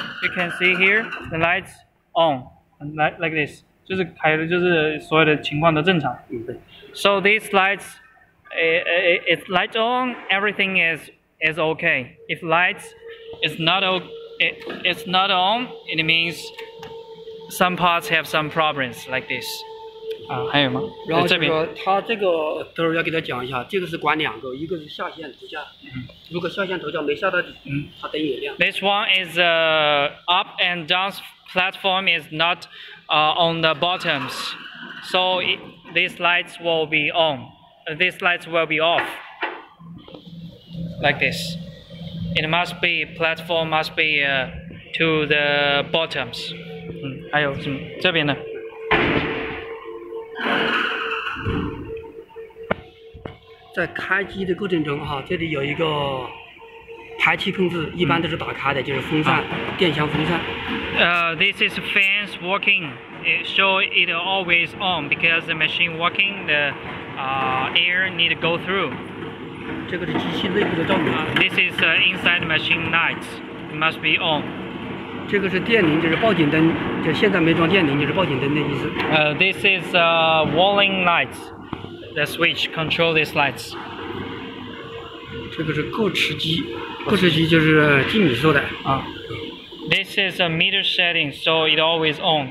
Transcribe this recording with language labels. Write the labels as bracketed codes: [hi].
[en] You can see here the lights on like this. [zh] 就是开的，就是所有的情况都正常。 [en] So these lights, it's light on. Everything is. Is okay. If lights is not on, it means some parts have some problems like this. [zh] 啊，还有吗？然后就说他这个都要给他讲一下，这个是管两个，一个是下线图架。如果下线图架没下到底，它灯也亮。 [en] This one is up and down platform is not on the bottoms, so these lights will be on. These lights will be off. Like this, it must be platform must be to the bottoms. [zh] 还有什么这边呢？在开机的过程中哈，这里有一个排气控制，一般都是打开的，就是风扇，电箱风扇。 [en] This is fans working. It show it always on because the machine working, the air need to go through. [zh] 这个是机器内部的照明。 [en] This is inside machine lights. It must be on. [zh] 这个是电铃，就是报警灯。就现在没装电铃，就是报警灯的意思。 [en] This is warning lights. The switch control these lights. [zh] 这个是过池机，过池机就是计米数的啊。 [en] This is a meter setting, so it always on.